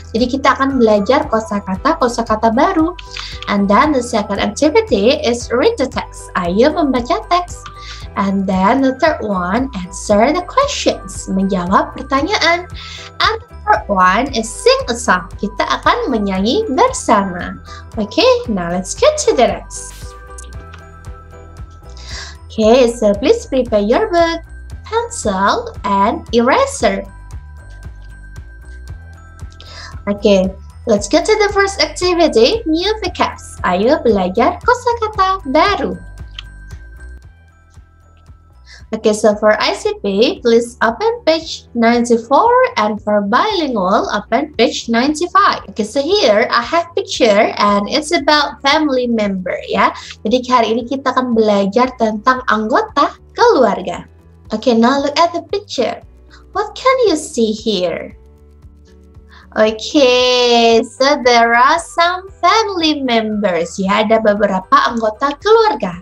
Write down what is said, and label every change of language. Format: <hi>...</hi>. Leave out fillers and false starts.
<id>Jadi kita akan belajar kosakata baru.</id> <en>And then the second activity is read the text.</en> <id>Ayo membaca teks.</id> <en>And then the third one, answer the questions.</en> <id>Menjawab pertanyaan.</id> <en>And the third one is sing a song.</en> <id>Kita akan menyanyi bersama.</id> <en>Okay, now let's get to the next. Okay, so please prepare your book, pencil, and eraser. Okay, let's get to the first activity, new vocabs.</en> <id>Ayo belajar kosakata baru.</id> <en>Okay, so for ICP, please open page 94, and for bilingual, open page 95. Okay, so here I have picture, and it's about family member, ya.</en> <id>Jadi hari ini kita akan belajar tentang anggota keluarga.</id> <en>Okay, now look at the picture. What can you see here? Okay, so there are some family members.</en> <id>Ya, ada beberapa anggota keluarga.</id>